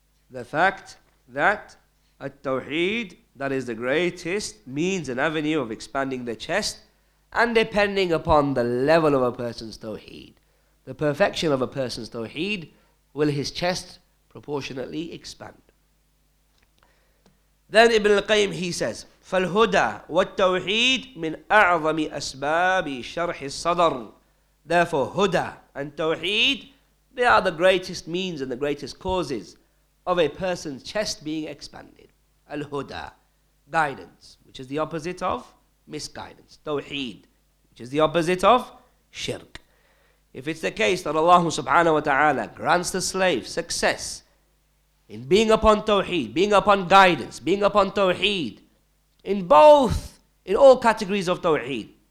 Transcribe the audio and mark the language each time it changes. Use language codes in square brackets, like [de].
[en] The fact that at-tawheed, that is the greatest means and avenue of expanding the chest, and depending upon the level of a person's tawheed, the perfection of a person's tawheed, will his chest proportionately expand. Then Ibn al-Qayyim, he says, [ar] فَالْهُدَى وَالْتَوْحِيدْ مِنْ أَعْظَمِ أَسْبَابِ شَرْحِ الصَّدَرِ. [en] Therefore, huda and tawheed, they are the greatest means and the greatest causes of a person's chest being expanded. Al-huda, guidance, which is the opposite of misguidance. Tawheed, which is the opposite of shirk. If it's the case that Allah subhanahu wa ta'ala grants the slave success in being upon tawheed, being upon guidance, being upon tawheed, in both, in all categories of tawheed.